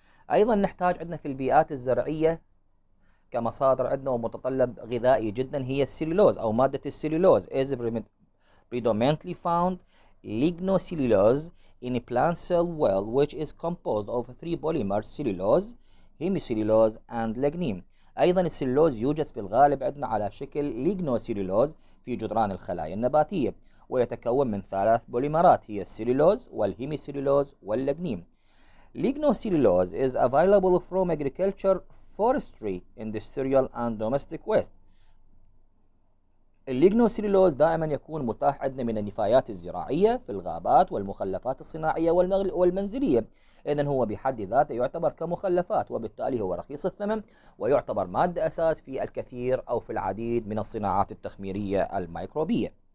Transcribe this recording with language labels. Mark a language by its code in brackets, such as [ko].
[ar] أيضا نحتاج عندنا في البيئات الزرعية كمصادر عندنا ومتطلب غذائي جدا هي السليلوز، أو مادة السليلوز [en] is predominantly found lignocellulose in a plant cell wall which is composed of three polymers cellulose, hemicellulose and lignin. [ar] أيضا السليلوز يوجد في الغالب عندنا على شكل lignocellulose في جدران الخلايا النباتية، ويتكون من ثلاث بوليمرات هي السليلوز والهيميسليلوز واللجنين. [en] Lignocellulose is available from agriculture, forestry, industrial and domestic waste. [ar] الليجنوسيلولوز دائما يكون متاح عندنا من النفايات الزراعيه في الغابات والمخلفات الصناعيه والمنزليه، اذا هو بحد ذاته يعتبر كمخلفات، وبالتالي هو رخيص الثمن ويعتبر ماده اساس في الكثير او في العديد من الصناعات التخميريه الميكروبيه.